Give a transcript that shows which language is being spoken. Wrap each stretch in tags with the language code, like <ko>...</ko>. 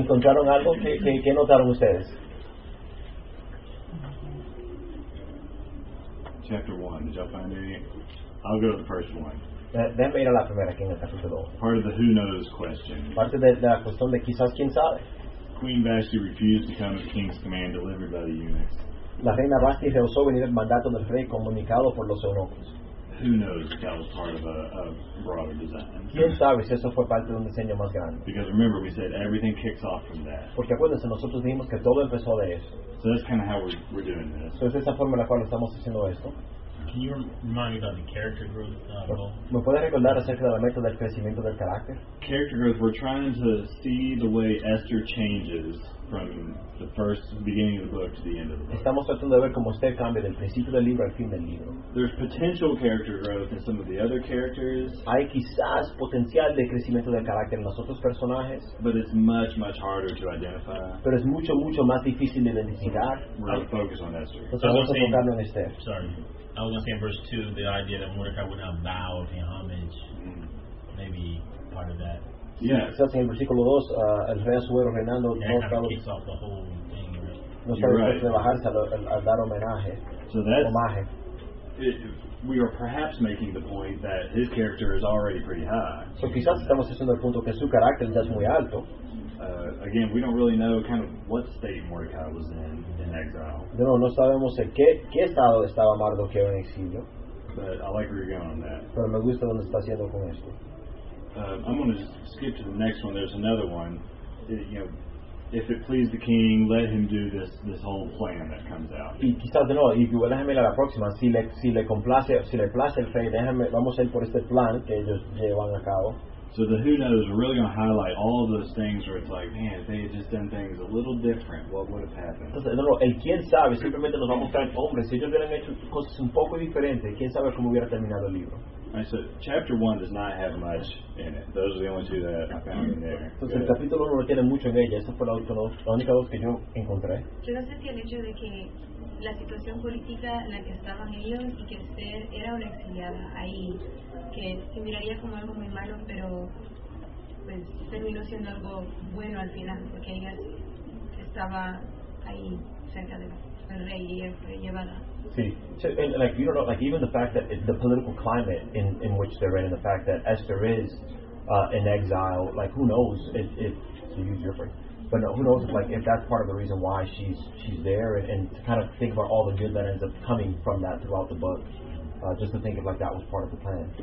<es>¿Encontraron algo? ¿Qué notaron ustedes?</es> <en>Chapter 1, did y'all find anything? I'll go to the first one.</en> <es>Déjame ir a la primera aquí en el capítulo 2.</es> <en>Part of the who knows question.</en> <es>Parte de la cuestión de quizás quién sabe.</es> <en>Queen Vashti refused to come at the king's command delivered by the eunuchs.</en> <es>La reina Vashti rehusó venir al mandato del rey comunicado por los eunucos.</es> <en>Who knows if that was part of a broader design?</en> <es>¿Quién sabe si eso fue parte de un diseño más grande?</es> <en>Because remember, we said everything kicks off from that.</en> <es>Porque acuérdense, nosotros dijimos que todo empezó de eso.</es> <en>So that's kind of how we're doing this.</en> <es>So es esa forma en la cual estamos haciendo esto.</es> <en>Can you remind me about the character growth goal?</en> <es>¿Me puede recordar acerca de la meta del crecimiento del carácter?</es> <en>Character growth, we're trying to see the way Esther changes from the first beginning of the book to the end of the book.</en> <es>Estamos tratando de ver cómo usted cambia del principio del libro al fin del libro.</es> <en>There's potential character growth in some of the other characters.</en> <es>Hay quizás potencial de crecimiento del carácter en los otros personajes.</es> <en>But it's much, much harder to identify.</en> <es>Pero es mucho, mucho más difícil de identificar.</es> <en>We're going to focus on Esther.</en> <es>Entonces vamos a enfocarnos en Esther.</es> <en>Sorry. I was going to say in verse 2, the idea that Mordecai would have vowed in homage, maybe part of that. Yeah. So in</en> <es>versículo 2, el rey Azuero reinando,</es> <en>Mordecai kicks off the whole thing. Right. So that's, we are perhaps making the point that his character is already pretty high.</en> <es>So quizás estamos haciendo el punto que su carácter ya es muy alto.</es> <en>again, we don't really know kind of what state Mordecai was in exile.</en> <es>No, no sabemos en qué estado estaba Mardoqueo en exilio.</es> <en>But I like where you're going on that.</en> <es>Pero me gusta donde está haciendo con esto.</es> <en>I'm going to skip to the next one. There's another one. If it pleased the king, let him do this whole plan that comes out.</en> <es>Y quizás de nuevo, y déjame ir a la próxima. Si le place el rey, déjame, vamos a ir por este plan que ellos llevan a cabo.</es> <en>So the who knows are really going to highlight all of those things where it's like, man, if they had just done things a little different, what would have happened?</en> <es>Entonces, de nuevo, el quién sabe, simplemente nos va a mostrar, hombre, si ellos hubieran hecho cosas un poco diferentes, quién sabe cómo hubiera terminado el libro.</es> <en>Right, so chapter 1 does not have much in it. Those are the only two that I found in there.</en> <es>Entonces, el capítulo 1 no tiene mucho en ella. Esa fue la única dos que yo encontré. Yo no sé si el hecho de que la situación política en la que estaban ellos y que Esther era una exiliada ahí, que se miraría como algo muy malo, pero pues terminó siendo algo bueno al final, porque ella estaba ahí cerca del rey y fue llevada.</es> <en>Sí, so, and, like, you don't know, like, even the fact that the political climate in which they're in, and the fact that Esther is in exile, like, who knows if to use your phrase. But no, who knows if that's part of the reason why she's there, and to kind of think about all the good that ends up coming from that throughout the book, just to think of that was part of the plan.</en>